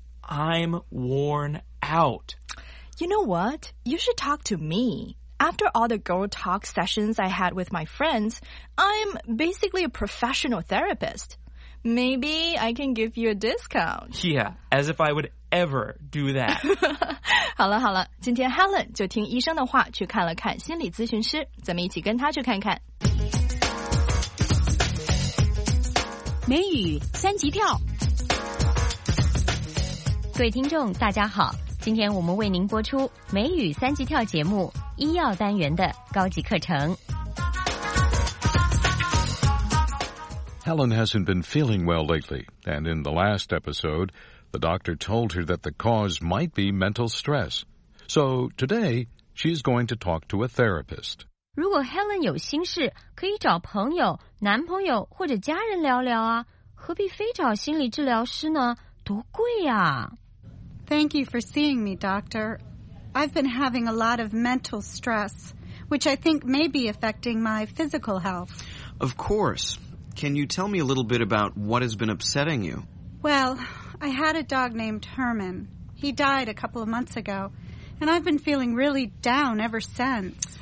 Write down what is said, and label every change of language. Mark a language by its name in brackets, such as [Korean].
[English] I'm worn out. You know what? You should talk to me. After all the girl talk sessions I had with my friends, I'm basically a professional therapist. Maybe I can give you a discount. Yeah, as if I would ever do that. [Chinese] 好了好了，今天 Helen 就听医生的话去看了看心理咨询师，咱们一起跟他去看看。美语三级跳。各位听众大家好，今天我们为您播出美语三级跳节目医药单元的高级课程。 [English] Helen hasn't been feeling well lately, and in the last episode, the doctor told her that the cause might be mental stress. So, today, she is going to talk to a therapist. [Chinese] 如果 Helen 有心事，可以找朋友、男朋友或者家人聊聊啊，何必非找心理治疗师呢？多贵啊！ [English] Thank you for seeing me, doctor. I've been having a lot of mental stress, which I think may be affecting my physical health. Of course. Can you tell me a little bit about what has been upsetting you? Well, I had a dog named Herman. He died a couple of months ago, and I've been feeling really down ever since.